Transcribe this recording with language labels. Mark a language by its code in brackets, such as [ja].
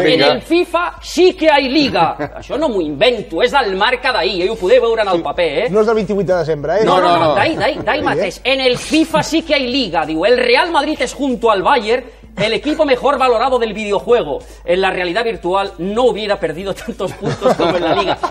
[es] en el FIFA sí que hay liga. [ca] Això no m'ho invento, és del Marca d'ahir, ho podeu veure en el paper. No és del 28 de desembre, eh? No, d'ahir mateix. [es] En el FIFA sí que hay liga, diu, el Real Madrid es junto al Bayern, el equipo mejor valorado del videojuego. En la realidad virtual no hubiera perdido tantos puntos como en la Liga.